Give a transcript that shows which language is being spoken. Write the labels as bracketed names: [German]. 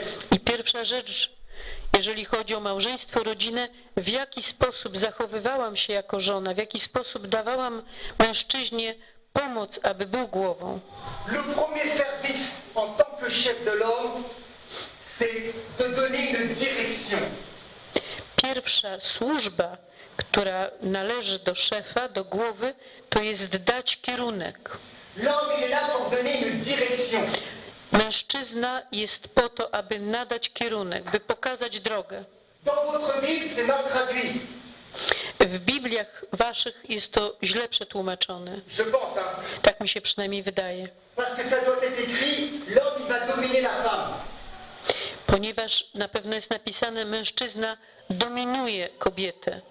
[Polish] I pierwsza rzecz, jeżeli chodzi o małżeństwo, rodzinę, w jaki sposób zachowywałam się jako żona, w jaki sposób dawałam mężczyźnie pomoc, aby był głową. [French] Le premier service en tant que chef de l'homme, c'est de donner une direction. [Polish] Pierwsza służba, która należy do szefa, do głowy, to jest dać kierunek. [French] L'homme est là pour donner une direction. [Polish] Mężczyzna jest po to, aby nadać kierunek, by pokazać drogę. [French] Dans votre Bible, c'est mal traduit. [Polish] W Bibliach waszych jest to źle przetłumaczone. [French] Je pense, hein? [Polish] Tak mi się przynajmniej wydaje. [French] Parce que ça doit être écrit, l'homme va dominer la femme. [Polish] Ponieważ na pewno jest napisane, mężczyzna dominuje kobietę.